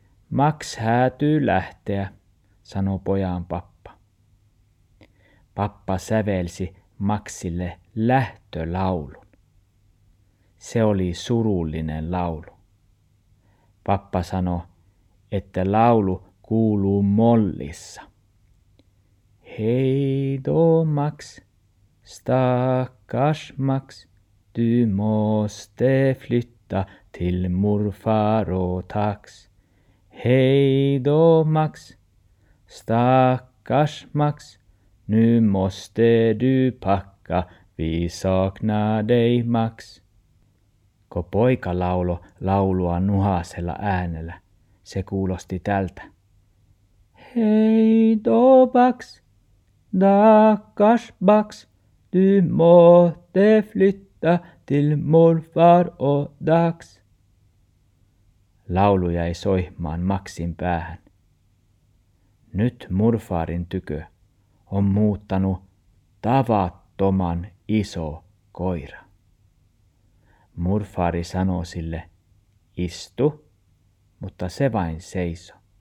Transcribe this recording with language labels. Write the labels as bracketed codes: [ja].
[fi] Max häätyy lähteä, sanoi pojan pappa. Pappa sävelsi Maxille lähtölaulu. Se oli surullinen laulu. Pappa sanoi, että laulu kuuluu mollissa. [sv] Hei do Max, stakkars Max, du måste flytta till morfar och tax. Hei do Max, stakkars Max, nu måste du packa, vi saknar dig Max. [fi] Kun poika laulo laulua nuhasella äänellä, se kuulosti tältä. [sv] Hei do Max, dakas Max, du måste flytta till morfar och dax. [fi] Laulu jäi soihmaan Maxin päähän. Nyt murfaarin tykö on muuttanut tavattoman iso koira. Murfari sanoi sille, istu, mutta se vain seiso.